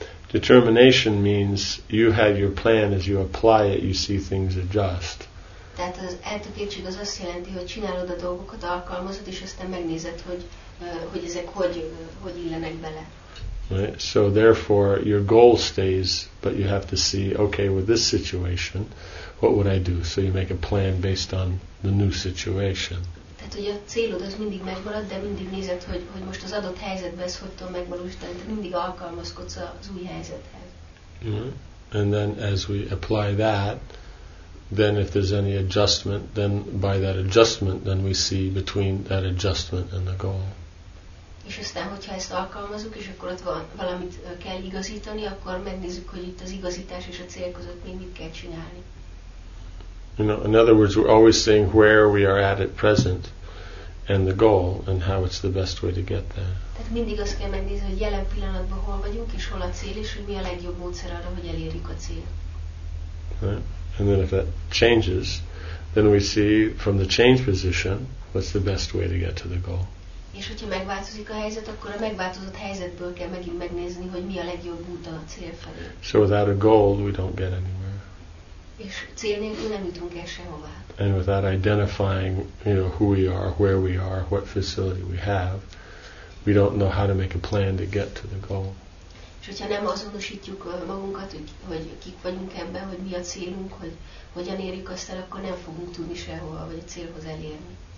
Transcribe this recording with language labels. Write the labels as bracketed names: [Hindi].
[English] Determination means you have your plan, as you apply it, you see things adjust. [Hungarian] Tehát az eltökéltség az azt jelenti, hogy csinálod a dolgokat, alkalmazod, és aztán megnézed, hogy ezek hogy illenek bele. [English] Right. So therefore, your goal stays, but you have to see, okay, with this situation, what would I do? So you make a plan based on the new situation. [Hungarian] Tehát ugye a célod az mindig megmarad, de mindig nézed, hogy most az adott helyzetben ez hogy tudom megvalósítani, de mindig alkalmazkodsz az új helyzethez. [English] Mm-hmm. And then as we apply that, then if there's any adjustment, then by that adjustment, then we see between that adjustment and the goal. [Hungarian] És aztán, hogyha ezt alkalmazunk, és akkor ott van, valamit kell igazítani, akkor megnézzük, hogy itt az igazítás és a cél között még mit kell csinálni. [English] You know, in other words, we're always seeing where we are at present and the goal and how it's the best way to get there. [Hungarian] Tehát mindig azt kell megnézni, hogy jelen pillanatban hol vagyunk, és hol a cél, és hogy mi a legjobb módszer arra, hogy elérjük a cél. [English] Right. And then if that changes, then we see from the change position, what's the best way to get to the goal. [Hungarian] És hogyha megváltozik a helyzet, akkor a megváltozott helyzetből kell megint megnézni, hogy mi a legjobb út a cél felé. [English] So without a goal, we don't get anywhere. [Hungarian] És cél nélkül nem jutunk el sehová. [English] And without identifying, you know, who we are, where we are, what facility we have, we don't know how to make a plan to get to the goal. [Hungarian] És hogyha nem azonosítjuk magunkat, hogy kik vagyunk ebben, hogy mi a célunk, hogy hogyan érjük azt el, akkor nem fogunk tudni sehova, vagy a célhoz elérni.